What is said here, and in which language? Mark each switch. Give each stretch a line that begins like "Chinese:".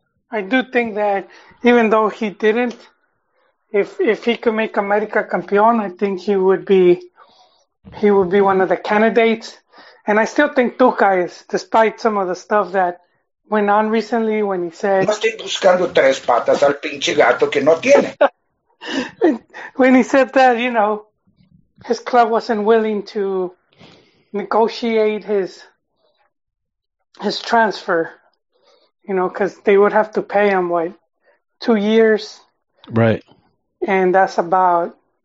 English: I do think that even though he didn't, if he could make America campeón, I think he would be one of the candidates. And I still think Tuca is, despite some of the stuff that went on recently when he said...
Spanish: No estoy buscando tres patas al pinche gato que no tiene.
English: When he said that, you know, his club wasn't willing to negotiate his transfer, you know, because they would have to pay him, what, 2 years? Right. And that's about